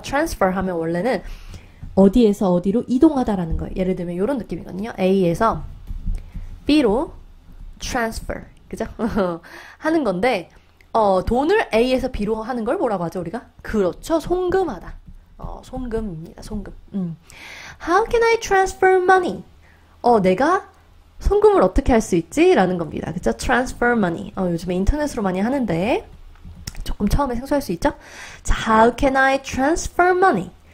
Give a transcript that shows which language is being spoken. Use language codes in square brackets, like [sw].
[ko] transfer 하면 원래는 어디에서 어디로 이동하다라는 거예요. 예를 들면 이런 느낌이거든요. A에서 B로 transfer. 그죠? 하는 건데, 돈을 A에서 B로 하는 걸 뭐라고 하죠, 우리가? 그렇죠. 송금하다. 송금입니다. 송금. [en] How can I transfer money? [ko] 내가 송금을 어떻게 할수 있지? 라는 겁니다. 그쵸? Transfer money. 요즘에 인터넷으로 많이 하는데, 조금 처음에 생소할 수 있죠? [en] 자, How can I transfer money?